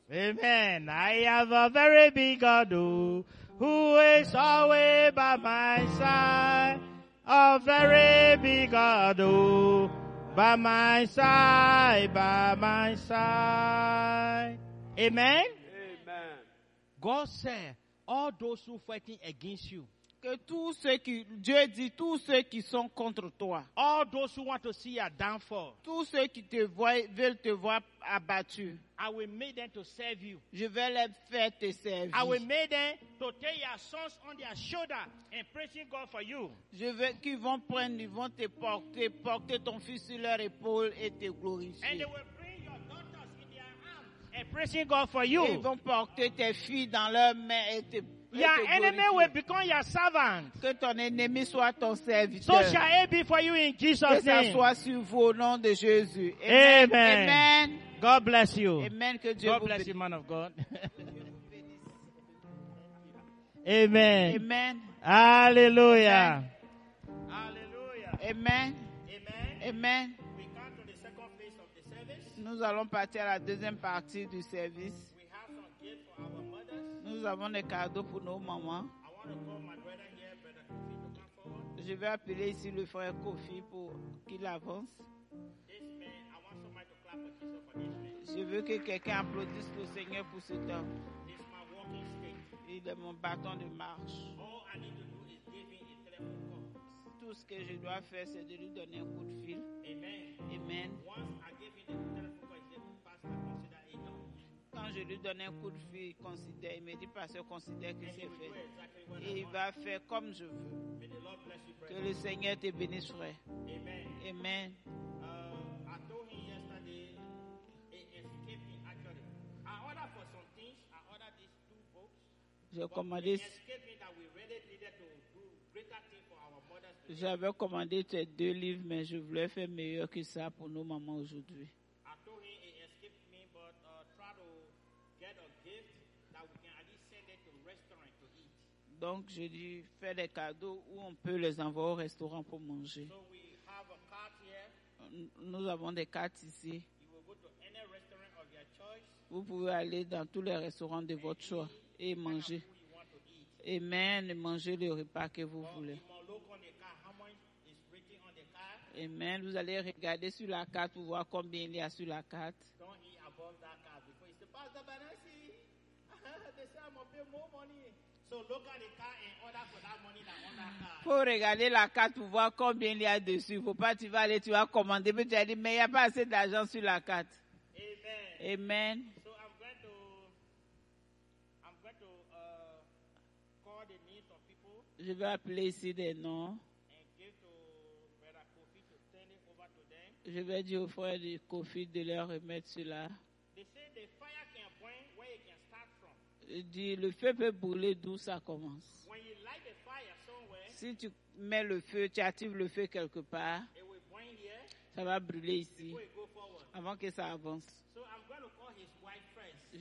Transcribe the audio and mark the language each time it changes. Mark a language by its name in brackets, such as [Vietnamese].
[English] Amen. I have a very big God who is always by my side. A very big God by my side, by my side. Amen. Amen. God said, all those who fighting against you. [French] Que tous ceux qui, Dieu dit, tous ceux qui sont contre toi. [English] All those who want to see your downfall. [French] Tous ceux qui te voient, veulent te voir abattu. [English] I will make them to serve you. [French] Je vais les faire te servir. [English] I will make them to take your sons on their shoulder and praise God for you. [French] Je veux qu'ils vont prendre, ils vont te porter, porter ton fils sur leur épaule et te glorifier. [English] And they will bring your daughters in their arms and praise God for you. [French] Ils vont porter tes filles dans leurs mains et te glorifier. [English] Your enemy will become your servant. [French] Que ton ennemi soit ton serviteur. [English] So shall it be for you in Jesus' name. [French] Que ça soit sur vous au nom de Jésus. [English] Amen. Amen. God bless you. [French] Amen. Que Dieu [English] God [French] vous [English] bless [French] bénisse. [English] You, man of God. Amen. Amen. Hallelujah. Hallelujah. Amen. Amen. Amen. We come to the second phase of the service. [French] Nous allons partir à la deuxième partie du service. [English] We have some gift for our mothers. [French] Nous avons des cadeaux pour nos mamans. [English] I want to call my brother here, brother Kofi, to come forward. [French] Je vais appeler ici le frère Kofi pour qu'il avance. [English] This man, I want somebody to clap for this man. [French] Je veux que quelqu'un applaudisse le Seigneur pour cet homme. [English] This is my walking stick. [French] Il est mon bâton de marche. [English] All I need to do is give him a telephone. [French] Tout ce que je dois faire, c'est de lui donner un coup de fil. [English] Amen. Amen. Once I give him the telephone. [French] Quand je lui donne un coup de fil, il considère, il me dit, pasteur, considère que [English] and [French] c'est fait. [English] Exactly [French] et il va faire comme je veux. [English] You, [French] que le Seigneur te bénisse, frère. [English] Amen. Amen. I told him yesterday, actually, I ordered for some things, I ordered these two books. [French] J'ai commandé. J'avais commandé ces deux livres, mais je voulais faire meilleur que ça pour nos mamans aujourd'hui. Donc, je lui fais des cadeaux où on peut les envoyer au restaurant pour manger. [English] So [French] nous avons des cartes ici. [English] You will go to any restaurant of your choice. [French] Vous pouvez aller dans tous les restaurants de [English] and [French] votre choix et manger. [English] Amen, [French] et manger le repas que vous voulez. [English] Amen. [French] Vous allez regarder sur la carte pour voir combien il y a sur la carte. [English] Don't eat above that card because it's the pastor Banassi. They say I'm gonna pay more money. So look at the card and order for that money that on that card. [French] Faut regarder la carte pour voir combien il y a dessus. Faut pas, tu vas aller, tu vas commander, mais tu as dit, mais il n'y a pas assez d'argent sur la carte. [English] Amen. Amen. So I'm going to call the names of people. [French] Je vais appeler ici des noms. Je vais dire aux frères de Kofi de leur remettre cela. Il dit, le feu peut brûler d'où ça commence. [English] When you light the fire somewhere, [French] si tu mets le feu, tu actives le feu quelque part, [English] it will burn here, [French] ça va brûler ici, [English] go forward. [French] Avant que ça avance. [English] So I'm going to call his wife first.